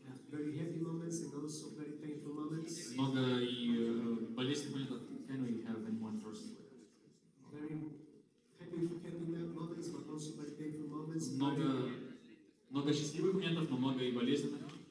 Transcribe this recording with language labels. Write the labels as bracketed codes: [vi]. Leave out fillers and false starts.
[en] Very happy moments and also very painful moments. [ru] Много и болезненных моментов. [en] Can we have anyone first? Very happy moments, but also very painful moments. [ru] Много счастливых моментов, но много и болезненных.